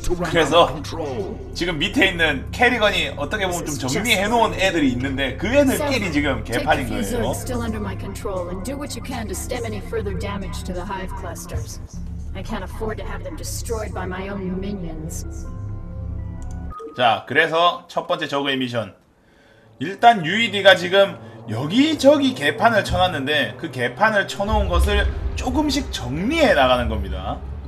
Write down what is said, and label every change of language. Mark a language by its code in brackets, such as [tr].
[ko] 그래서 지금 밑에 있는 캐리건이 어떻게 보면 좀 정리해 놓은 애들이 있는데 그 애들끼리 지금 개판인 거예요. [en] Still under my control and do what you can to stem any further damage to the hive clusters. I can't afford to have them destroyed by my own minions. [ko] 자, 그래서 첫 번째 저그의 미션. 일단 UED가 지금 여기저기 개판을 쳐놨는데 그 개판을 쳐놓은 것을 조금씩 정리해 나가는 겁니다.